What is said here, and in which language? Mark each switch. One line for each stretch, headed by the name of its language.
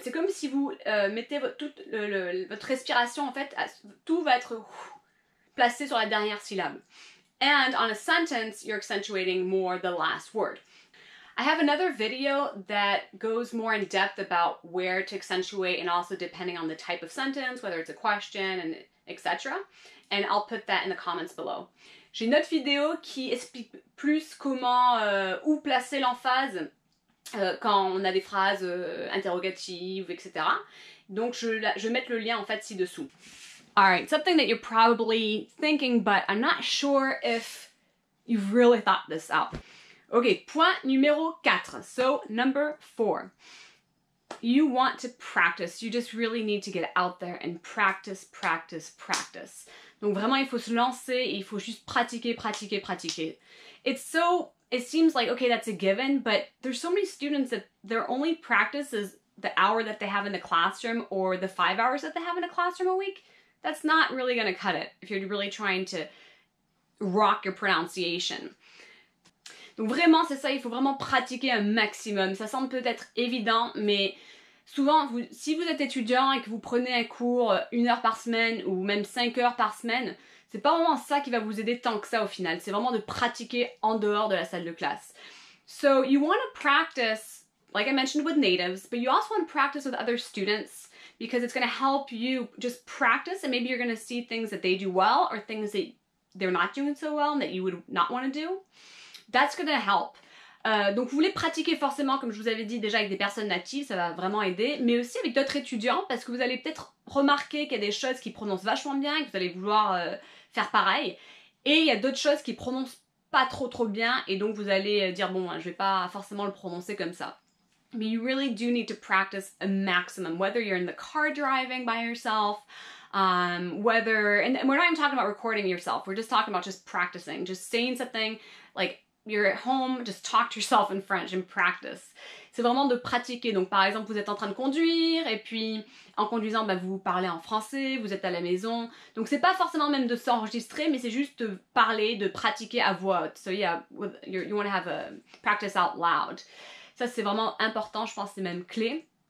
French: C'est comme si vous mettez votre respiration, en fait, tout va être placé sur la dernière syllabe.
English: And on a sentence, you're accentuating more the last word. I have another video that goes more in depth about where to accentuate and also depending on the type of sentence, whether it's a question and etc. And I'll put that in the comments below.
French: J'ai une autre vidéo qui explique plus comment où placer l'emphase quand on a des phrases interrogatives, etc. Donc je vais mettre le lien en fait ci-dessous.
English: All right, something that you're probably thinking, but I'm not sure if you've really thought this out. Okay,
French: point numéro 4.
English: So, number 4. You want to practice. You just really need to get out there and practice, practice, practice.
French: Donc vraiment, il faut se lancer, il faut juste pratiquer, pratiquer, pratiquer.
English: It seems like, okay, that's a given, but there's so many students that their only practice is the hour that they have in the classroom or the 5 hours that they have in a classroom a week. That's not really going to cut it if you're really trying to rock your pronunciation.
French: Donc vraiment, c'est ça, il faut vraiment pratiquer un maximum. Ça semble peut-être évident, mais souvent, si vous êtes étudiant et que vous prenez un cours une heure par semaine ou même 5 heures par semaine, c'est pas vraiment ça qui va vous aider tant que ça au final. C'est vraiment de pratiquer en dehors de la salle de classe.
English: So, you want to practice, like I mentioned, with natives, but you also want to practice with other students because it's going to help you just practice and maybe you're going to see things that they do well or things that they're not doing so well and that you would not want to do. That's gonna help.
French: Donc, vous voulez pratiquer forcément, comme je vous avais dit, déjà avec des personnes natives, ça va vraiment aider, mais aussi avec d'autres étudiants, parce que vous allez peut-être remarquer qu'il y a des choses qui prononcent vachement bien, que vous allez vouloir faire pareil, et il y a d'autres choses qui prononcent pas trop trop bien, et donc vous allez dire, bon, je vais pas forcément le prononcer comme ça.
English: But you really do need to practice a maximum, whether you're in the car driving by yourself, and we're not even talking about recording yourself, we're just talking about just practicing, just saying something, like, you're at home, just talk to yourself in French and practice.
French: C'est vraiment de pratiquer. Donc, par exemple, vous êtes en train de conduire et puis en conduisant, ben, vous parlez en français, vous êtes à la maison. Donc, c'est pas forcément même de s'enregistrer, mais c'est juste de parler, de pratiquer à voix haute.
English: So, yeah, you want to have a practice out loud.
French: Ça, c'est vraiment important. Je pense c'est même clé.